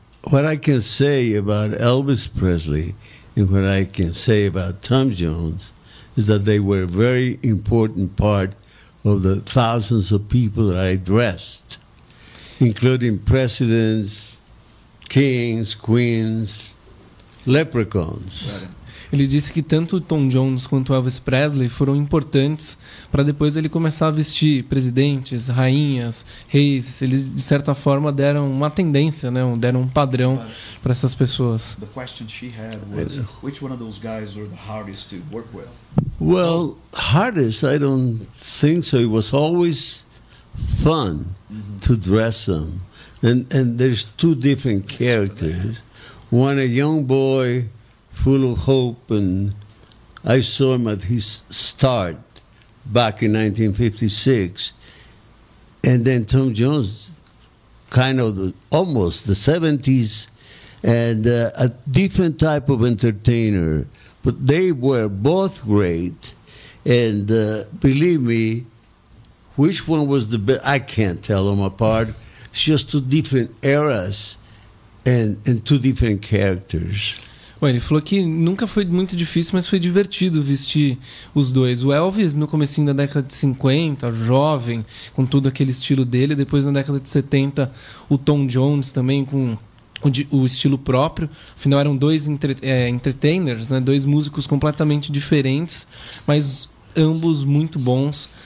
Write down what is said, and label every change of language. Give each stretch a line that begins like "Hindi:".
English: What I can say about Elvis Presley and what I can say about Tom Jones is that they were a very important part of the thousands of people that I dressed, including presidents, kings, queens, leprechauns.
Portuguese: Ele disse que tanto Tom Jones quanto Elvis Presley foram importantes para depois ele começar a vestir presidentes, rainhas, reis. Eles, de certa forma, deram uma tendência, né? Deram um padrão para essas pessoas.
English: The question she had was, which one of those guys were the hardest to work with? Well, hardest, I don't think so. It was always fun to dress them. And there's two different characters. One, a young boy, full of hope, and I saw him at his start back in 1956, and then Tom Jones, kind of almost the 70s, and a different type of entertainer, but they were both great, and believe me, which one was the best, I can't tell them apart, it's just two different eras and two different characters.
Portuguese: Bom, ele falou que nunca foi muito difícil, mas foi divertido vestir os dois. O Elvis, no comecinho da década de 50, jovem, com todo aquele estilo dele. Depois, na década de 70, o Tom Jones também, com o estilo próprio. Afinal, eram dois entertainers, né? Dois músicos completamente diferentes, mas ambos muito bons.